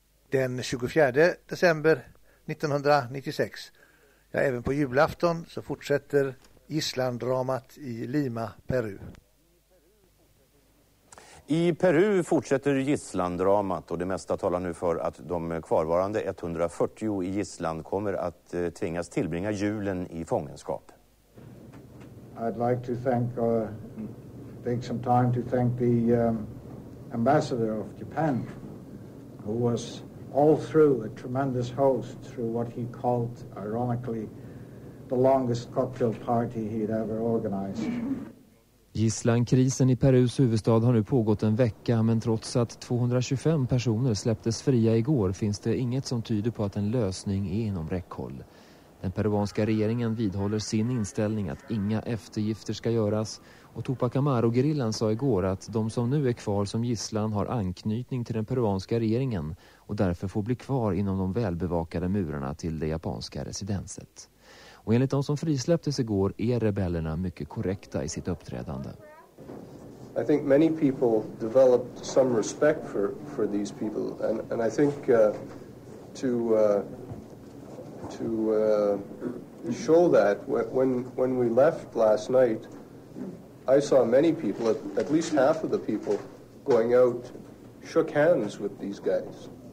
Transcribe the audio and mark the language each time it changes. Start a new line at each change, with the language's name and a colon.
Swedish: Den 24 december 1996, ja, även på julafton, så fortsätter gisslandramat i Lima, Peru. I Peru fortsätter gisslandramat och det mesta talar nu för att de kvarvarande 140 i gissland kommer att tvingas tillbringa julen i fångenskap.
English: I'd like to thank take some time to thank the ambassador of Japan who was all through a tremendous host through what he called ironically the longest cocktail party he'd ever organized.
Swedish: Gisslankrisen i Perus huvudstad har nu pågått en vecka, men trots att 225 personer släpptes fria igår finns det inget som tyder på att en lösning är inom räckhåll. Den peruanska regeringen vidhåller sin inställning att inga eftergifter ska göras och Tupac Amaru-gerillan sa igår att de som nu är kvar som gisslan har anknytning till den peruanska regeringen och därför får bli kvar inom de välbevakade murarna till det japanska residenset. Och enligt de som frisläpptes igår är rebellerna mycket korrekta i sitt uppträdande.
English: I think many people developed some respect for these people and I think to show that when we left last night I saw many people, at least half of the people going out shook hands with these guys.